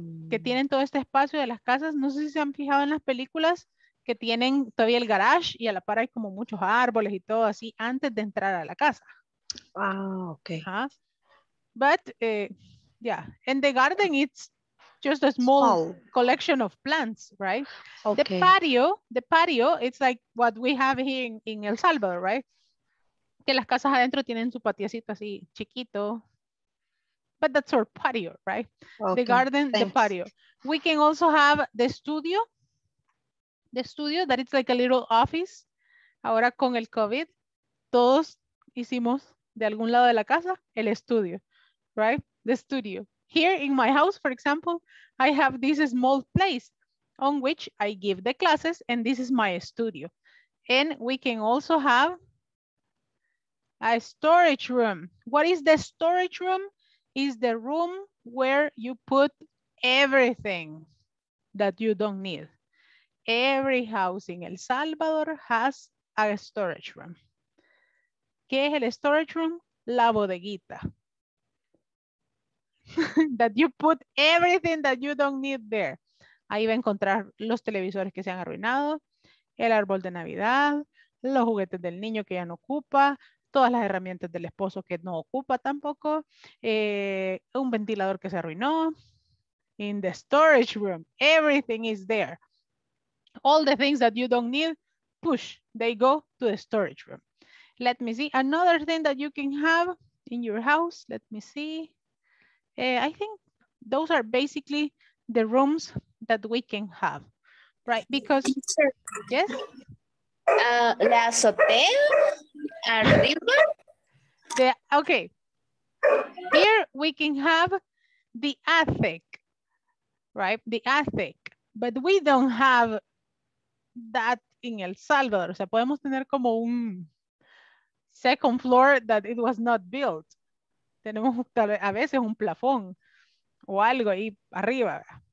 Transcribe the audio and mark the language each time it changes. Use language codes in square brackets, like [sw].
[es] Que tienen todo este espacio de las casas. No sé si se han fijado en las películas que tienen todavía el garage y a la par hay como muchos árboles y todo así antes de entrar a la casa. Ah, okay. [en] But, yeah, in the garden it's just a small collection of plants, right? Okay. The patio, it's like what we have here in El Salvador, right? [es] Que las casas adentro tienen su patiecito así chiquito. [en] But that's our patio, right? Okay. The garden, thanks. The patio. We can also have the studio. The studio, that it's like a little office. [es] Ahora con el COVID, todos hicimos de algún lado de la casa el estudio, right? [en] The studio. Here in my house, for example, I have this small place on which I give the classes, and this is my studio. And we can also have a storage room. What is the storage room? Is the room where you put everything that you don't need. Every house in El Salvador has a storage room. [es] ¿Qué es el storage room? La bodeguita. [en] That you put everything that you don't need there. [es] Ahí va a encontrar los televisores que se han arruinado, el árbol de Navidad, los juguetes del niño que ya no ocupa, todas las herramientas del esposo que no ocupa tampoco, un ventilador que se arruinó. [en] In the storage room, everything is there. All the things that you don't need, push, they go to the storage room. Let me see, another thing that you can have in your house, let me see. I think those are basically the rooms that we can have, right? Because, yes? [es] La azotea, arriba. [en] Okay, here we can have the attic, right? The attic, but we don't have that in El Salvador. [es] O sea, podemos tener como un [en] second floor that it was not built. [es] Tenemos a veces un plafón o algo ahí arriba.